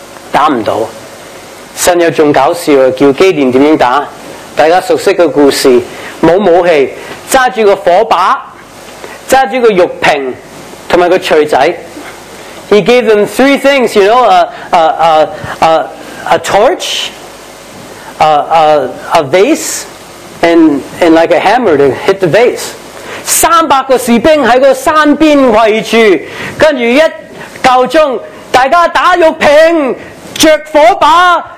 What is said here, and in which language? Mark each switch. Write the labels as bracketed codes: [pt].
[yue] 打唔到。神又仲搞笑，叫基甸点样打？大家熟悉的故事，冇武器，揸住个火把，揸住个玉瓶，同埋个锤仔。 [en] He gave them three things, you know, a torch, a vase, and like a hammer to hit the vase. [yue] 300个士兵喺个山边围住，跟住一够钟，大家打玉瓶，着火把。